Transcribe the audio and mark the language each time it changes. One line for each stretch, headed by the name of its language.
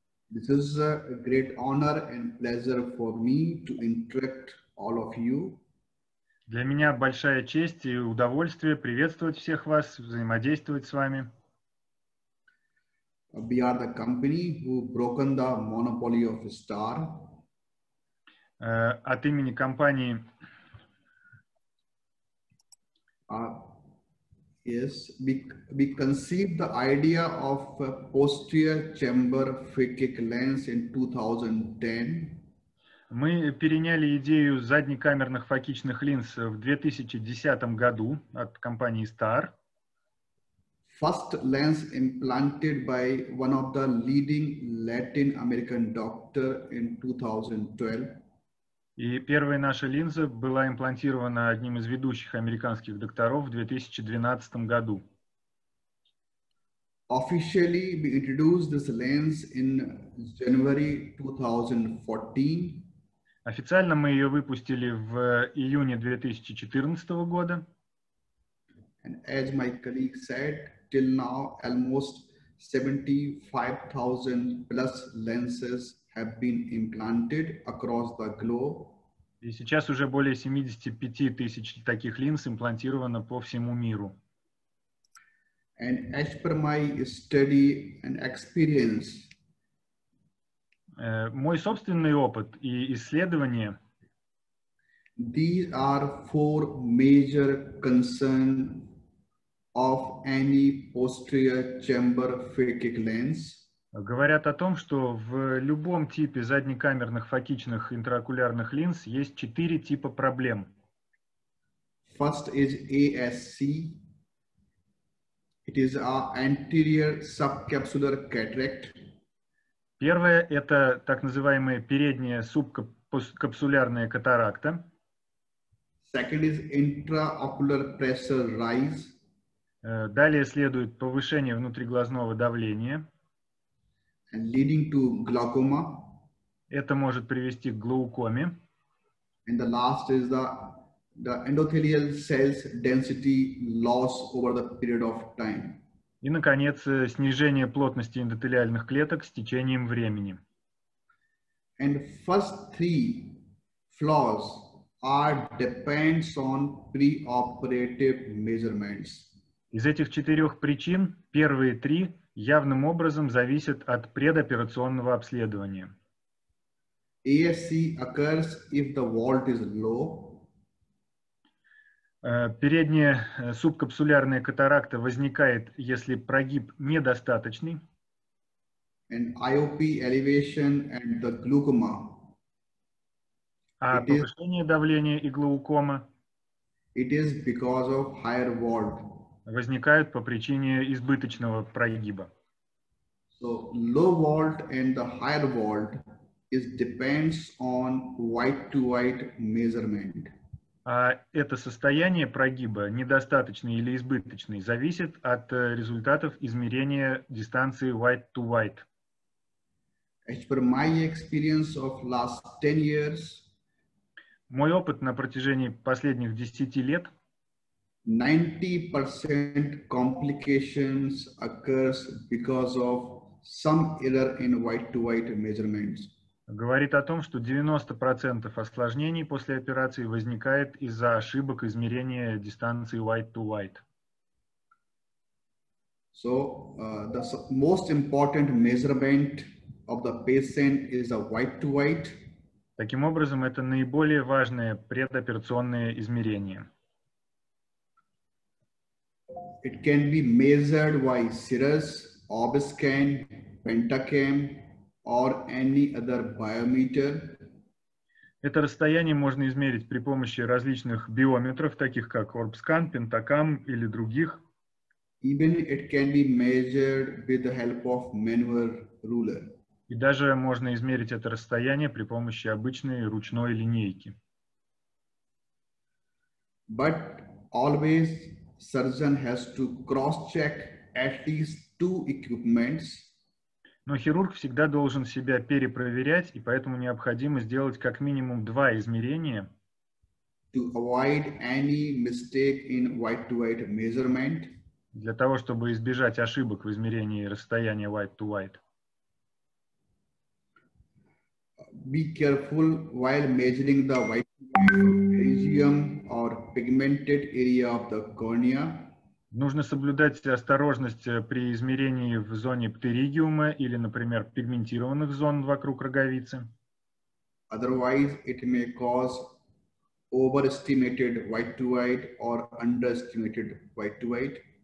English: This is a great honor and pleasure for me to interact all of you.
Russian: Для меня большая честь и удовольствие приветствовать всех вас, взаимодействовать с вами.
English: We are the company who broken the monopoly of STAR.
Russian: От имени компании.
English: Yes, we conceived the idea of a posterior chamber phakic lens in 2010.
Russian: Мы переняли идею заднекамерных фокичных линз в 2010 году от компании STAR.
English: First lens implanted by one of the leading Latin American doctor in 2012.
Russian: И первая наша линза была имплантирована одним из ведущих американских докторов в 2012 году.
English: officially we introduced this lens in January 2014.
Russian: Официально мы ее выпустили в июне 2014 года.
English: And as my colleague said, till now almost 75,000 plus lenses have been implanted across the globe.
Russian: И сейчас уже более 75 тысяч таких линз имплантировано по всему миру.
English: And as per my study and experience,
Russian: мой собственный опыт и исследования,
English: these are four major concerns of any posterior chamber phakic lens.
Russian: Говорят о том, что в любом типе заднекамерных фокичных интраокулярных линз есть четыре типа проблем.
English: First is ASC. It is a anterior subcapsular cataract.
Russian: Первое – это так называемая передняя субкапсулярная катаракта.
English: Second is intraocular pressure rise.
Russian: Далее следует повышение внутриглазного давления.
English: And leading to glaucoma.
Russian: Это может привести к глаукоме.
English: And the last is the endothelial cells density loss over the period of time.
Russian: И, наконец, снижение плотности эндотелиальных клеток с течением времени.
English: And first three flaws are depends on preoperative measurements.
Russian: Из этих четырех причин первые три явным образом зависят от предоперационного обследования.
English: ASC occurs if the vault is low.
Russian: Передняя субкапсулярная катаракта возникает, если прогиб недостаточный.
English: And IOP elevation and the glaucoma.
Russian: А повышение давления и глаукома?
English: It is because of higher vault.
Russian: Возникают по причине избыточного прогиба.
English: So low vault and the higher vault is depends on white-to-white measurement.
Russian: А это состояние прогиба, недостаточный или избыточный, зависит от результатов измерения дистанции white-to-white.
English: As per my experience of last 10 years,
Russian: мой опыт на протяжении последних 10 лет,
English: 90% complications occurs because of some error in white-to-white measurements.
Russian: Говорит о том, что 90% осложнений после операции возникает из-за ошибок измерения дистанции white-to-white.
English: So, the most important measurement of the patient is a white-to-white.
Russian: Таким образом, это наиболее важное предоперационное измерение.
English: It can be measured by CIRRUS, OBSCAN, PentaCam, or any other biometer.
Russian: Это расстояние можно измерить при помощи различных биометров, таких как Orbscan, PentaCam или других.
English: Even it can be measured with the help of manual ruler.
Russian: И даже можно измерить это расстояние при помощи обычной ручной линейки.
English: But always surgeon has to cross-check at least two equipments.
Russian: Но хирург всегда должен себя перепроверять, и поэтому необходимо сделать как минимум два измерения,
English: to avoid any mistake in white-to-white measurement,
Russian: для того, чтобы избежать ошибок в измерении расстояния white-to-white.
English: Be careful while measuring the white-to-white region or pigmented area of the cornea.
Russian: Нужно соблюдать осторожность при измерении в зоне птеригиума или, например, пигментированных зон вокруг роговицы.
English: Otherwise, it may cause overestimated white-to-white or underestimated white-to-white.